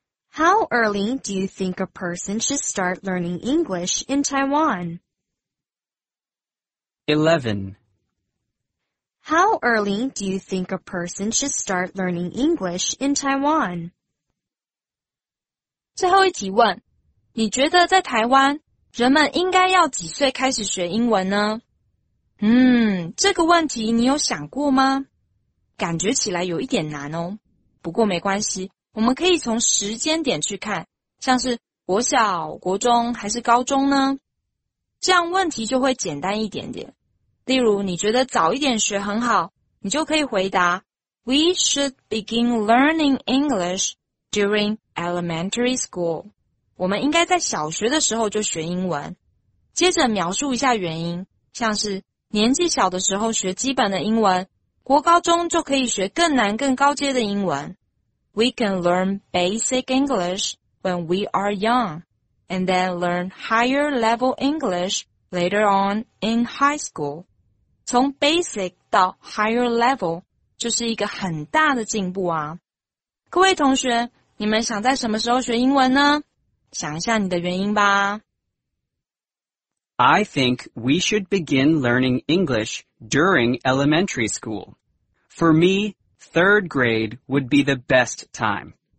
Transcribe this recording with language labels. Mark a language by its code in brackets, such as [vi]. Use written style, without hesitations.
[en] How early do you think a person should start learning English in Taiwan? 11. How early do you think a person should start learning English in Taiwan? [zh] 最后一题问。你觉得在台湾，人们应该要几岁开始学英文呢？这个问题你有想过吗？感觉起来有一点难哦。不过没关系，我们可以从时间点去看，像是国小、国中还是高中呢？这样问题就会简单一点点。例如，你觉得早一点学很好，你就可以回答 [en] We should begin learning English during elementary school. [zh] 我们应该在小学的时候就学英文，接着描述一下原因，像是年纪小的时候学基本的英文，国高中就可以学更难更高阶的英文。 [en] We can learn basic English when we are young, and then learn higher level English later on in high school. [zh] 从 basic 到 higher level 就是一个很大的进步啊。各位同学，你们想在什么时候学英文呢？想一下你的原因吧。 [en] I think we should begin learning English during elementary school. For me, third grade would be the best time.